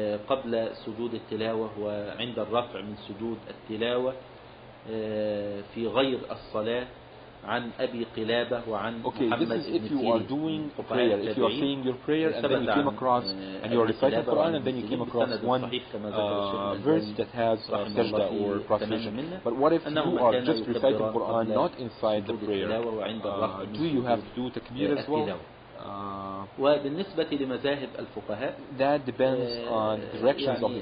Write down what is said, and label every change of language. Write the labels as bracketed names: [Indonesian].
[Arabic] قبل سجود التلاوة وعند الرفع من سجود التلاوة في غير الصلاة عن أبي قلابة وعن محمد بن سيرين. [English] If you are saying your prayer and then you came across and you are reciting the Quran and then you came across one verse that has sajda or prostration, but what if you are just reciting the Quran not inside the prayer, do you have to do takbir as well? [Arabic] وبالنسبة لمذاهب الفقهاء [English] that depends on the directions of the